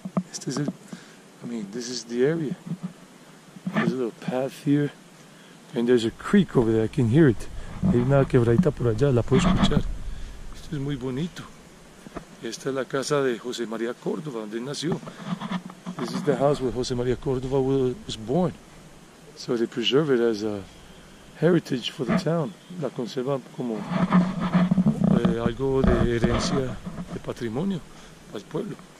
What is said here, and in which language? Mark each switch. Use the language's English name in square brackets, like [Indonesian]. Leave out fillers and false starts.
[Spanish] Este es el, [English] I mean, this is the area. There's a little path here. And there's a creek over there. I can hear it. [Spanish] Hay una quebradita por allá. La puedo escuchar. Esto es muy bonito. Esta es la casa de José María Córdoba, donde nació. [English] This is the house where José María Córdoba was born. So they preserve it as a heritage for the town. [Spanish] La conservan como algo de herencia, de patrimonio para el pueblo.